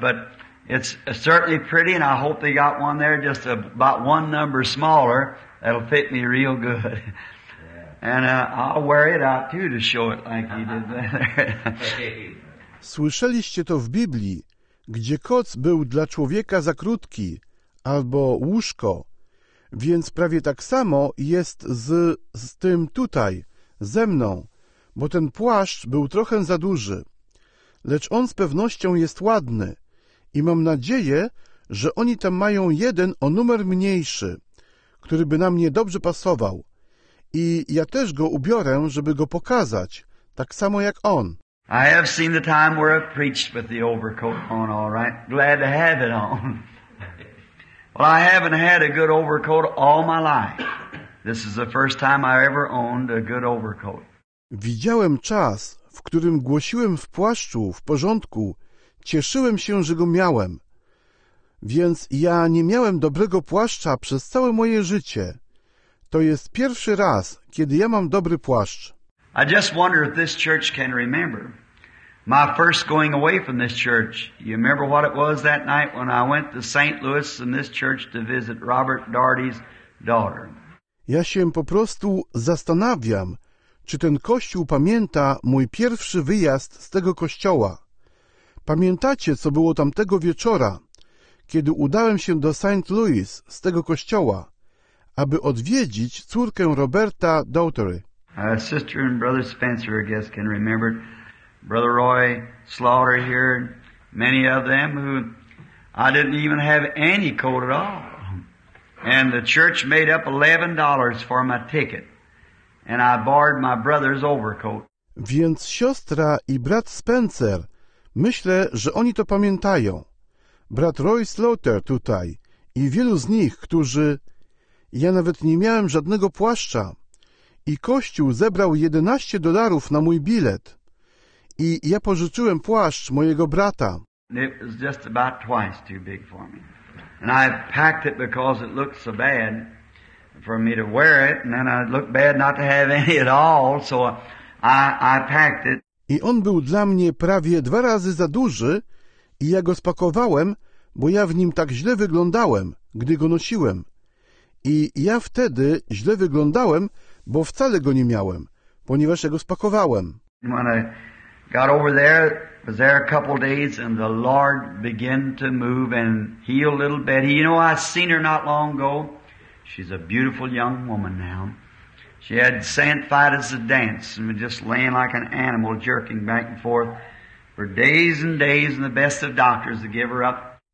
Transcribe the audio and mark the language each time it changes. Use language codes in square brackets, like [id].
[en] But it's certainly pretty, and I hope they got one there just about one number smaller that'll fit me real good. And I'll wear it out too to show it like you did there. [pl] Słyszeliście to w Biblii, gdzie koc był dla człowieka za krótki, albo łóżko, więc prawie tak samo jest z tym tutaj, ze mną, bo ten płaszcz był trochę za duży. Lecz on z pewnością jest ładny i mam nadzieję, że oni tam mają jeden o numer mniejszy, który by na mnie dobrze pasował. I ja też go ubiorę, żeby go pokazać, tak samo jak on. [en] I have seen the time where I preached with the overcoat on, all right. Glad to have it on. Well, I haven't had a good overcoat all my life. This is the first time I ever owned a good overcoat. [pl] Widziałem czas, w którym głosiłem w płaszczu, w porządku. Cieszyłem się, że go miałem. Więc ja nie miałem dobrego płaszcza przez całe moje życie. To jest pierwszy raz, kiedy ja mam dobry płaszcz. [en] I just wonder if this church can remember my first going away from this church. You remember what it was that night when I went to St. Louis in this church to visit Robert Daugherty's daughter. [pl] Ja się po prostu zastanawiam, czy ten kościół pamięta mój pierwszy wyjazd z tego kościoła. Pamiętacie, co było tamtego wieczora, kiedy udałem się do St. Louis z tego kościoła, aby odwiedzić córkę Roberta Daugherty. [en] Sister and Brother Spencer, I guess, can remember it. Brother Roy Slaughter here, many of them who I didn't even have any coat at all. And the church made up $11 for my ticket. And I borrowed my brother's overcoat. [pl] Więc siostra i brat Spencer, myślę, że oni to pamiętają. Brat Roy Slaughter tutaj i wielu z nich, którzy... Ja nawet nie miałem żadnego płaszcza. I kościół zebrał $11 na mój bilet. I ja pożyczyłem płaszcz mojego brata. [en] It was just about twice too big for me. And I packed it because it looked so bad for me to wear it. And then it looked bad not to have any at all. So I packed it. [pl] I on był dla mnie prawie dwa razy za duży. I ja go spakowałem, bo ja w nim tak źle wyglądałem, gdy go nosiłem. I ja wtedy źle wyglądałem, bo wcale go nie miałem, ponieważ ja go spakowałem. [en] When I got over there, was there a couple days, and the Lord began to move and heal little Betty. You know, I seen her not long ago. She's a beautiful young woman now. She had sanctified as a dance and was just laying like an animal, jerking back and forth for days and days, and the best of doctors to give her up.